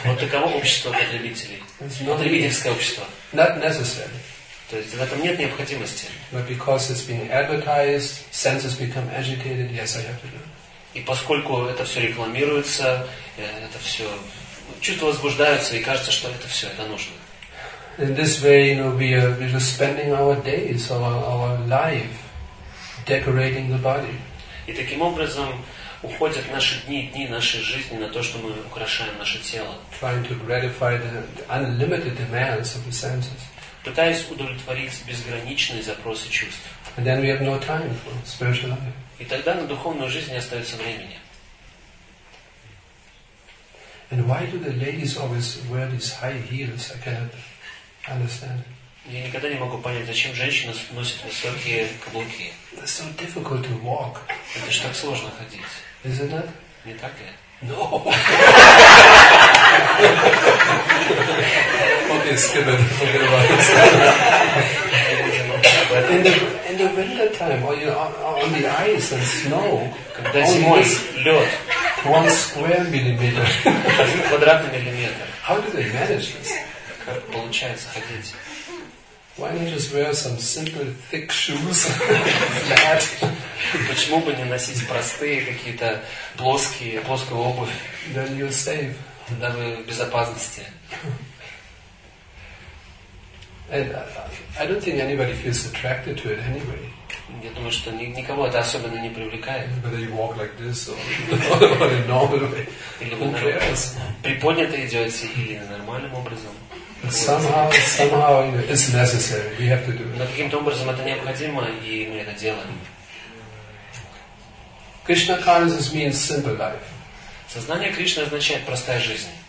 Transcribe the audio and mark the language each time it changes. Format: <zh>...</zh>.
<ru>Вот таково общество потребителей. Потребительское общество.</ru> <en>Not necessary.</en> <ru>То есть в этом нет необходимости.</ru> <en>But because it's being advertised, senses become agitated. Yes, I have to do.</en> <ru>И поскольку это все рекламируется, это все чувства возбуждаются и кажется, что это все, это нужно.</ru> <en>In this way, you know, we are spending our days, our life, decorating the body.</en> <ru>И таким образом уходят наши дни нашей жизни на то, что мы украшаем наше тело.</ru> <en>Trying to gratify the unlimited demands of the senses.</en> <ru>Пытаясь удовлетворить безграничные запросы чувств.</ru> <en>And then we have no time for spiritual life.</en> <ru>И тогда на духовную жизнь не остается времени.</ru> <en>And why do the ladies always wear these high heels? I cannot. understand.</en> <ru>Я никогда не могу понять, зачем женщины носят высокие каблуки.</ru> <en>It's so difficult to walk.</en> <ru>Это же так сложно ходить.</ru> <en>Isn't it?</en> <ru>Не так ли?</ru> <en>No. Okay, skip it. Forget about it. But in the winter time, when you're on the ice and snow,</en> <ru>когда зимой лед,</ru> <en>one square millimeter,</en> <ru>один квадратный миллиметр.</ru> <en>How do they manage this?</en> <ru>Как получается ходить?</ru> <en>Why not just wear some simple thick shoes? Flat.</en> <ru>Почему бы не носить простые какие-то плоские плоскую обувь?</ru> <en>Then you're safe.</en> <ru>Тогда вы в безопасности.</ru> <en>And I don't think anybody feels attracted to it anyway.</en> <ru>Я думаю, что никого это особенно не привлекает.</ru> <en>Whether you walk like this or in a normal way.</en> <ru>Или вы приподнято идете или нормальным образом.</ru> <en>Somehow, you know, it's necessary. We have to do it.</en> <ru>Но каким-то образом это необходимо, и мы это делаем.</ru> <en>Krishna consciousness means simple life.</en> <ru>Сознание Кришны означает простая жизнь.</ru>